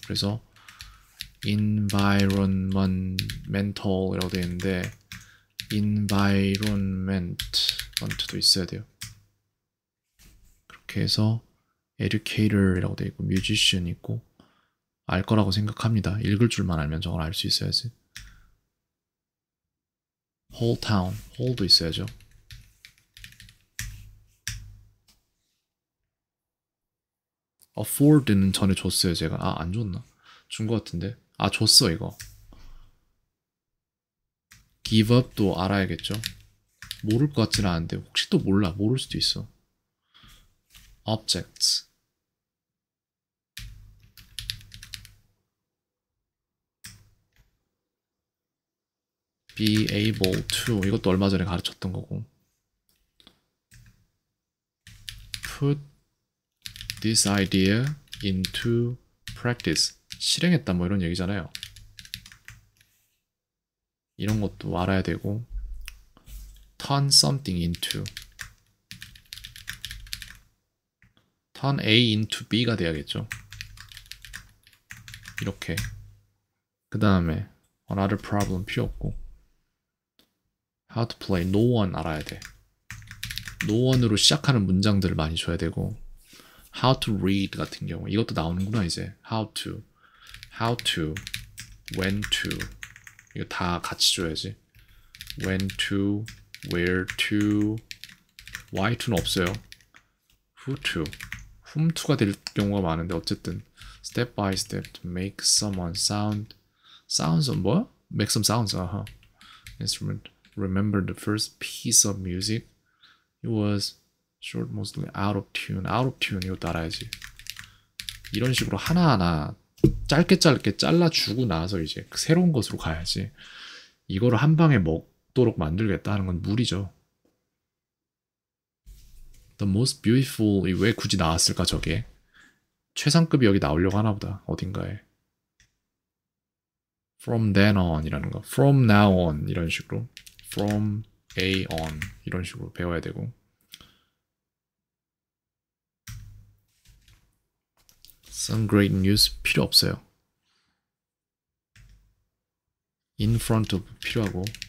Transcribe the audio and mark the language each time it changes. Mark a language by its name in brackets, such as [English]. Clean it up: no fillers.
[Korean] 그래서 environmental이라고 되어 있는데 environment도 있어야 돼요. 그렇게 해서 educator라고 되어 있고, musician 있고, 알 거라고 생각합니다. 읽을 줄만 알면 저걸 알수 있어야지. [English] whole town, whole도 [Korean] 있어야죠. afford는 전에 줬어요, 제가. 아, 안 줬나? 준거 같은데. 아, 줬어, 이거. [English] give up [Korean] 도 알아야겠죠? 모를 것 같지는 않은데, 혹시 또 몰라. 모를 수도 있어. objects. [English] be able to. [Korean] 이것도 얼마 전에 가르쳤던 거고. [English] put this idea into practice. [Korean] 실행했다. 뭐 이런 얘기잖아요. 이런 것도 알아야 되고, [English] turn something into. turn A into B [Korean] 가 돼야겠죠. 이렇게. 그 다음에 [English] another problem [Korean] 필요 없고. [English] How to play no one [Korean] 알아야 돼. no one으로 시작하는 문장들을 많이 줘야 되고. [English] How to read [Korean] 같은 경우 이것도 나오는구나 이제. [English] How to, when to [Korean] 이거 다 같이 줘야지. [English] When to, where to, why to [Korean] 는 없어요. [English] Who to, whom to [Korean] 가 될 경우가 많은데 어쨌든 [English] step by step to make someone sound. Sounds of [Korean] 뭐야? [English] Make some sounds. Instrument. Remember the first piece of music? It was short, mostly out of tune. Out of tune. [Korean] 이것도 알아야지. 이런 식으로 하나하나 짧게 짧게 잘라주고 나서 이제 새로운 것으로 가야지. 이거를 한 방에 먹도록 만들겠다는 건 무리죠. [English] The most beautiful. [Korean] 왜 굳이 나왔을까, 저게? 최상급이 여기 나오려고 하나 보다. 어딘가에. [English] From then on [Korean] 이라는 거. [English] From now on [Korean] 이런 식으로. [English] From A on [Korean] 이런 식으로 배워야 되고. [English] some great news [Korean] 필요 없어요. [English] in front of [Korean] 필요하고.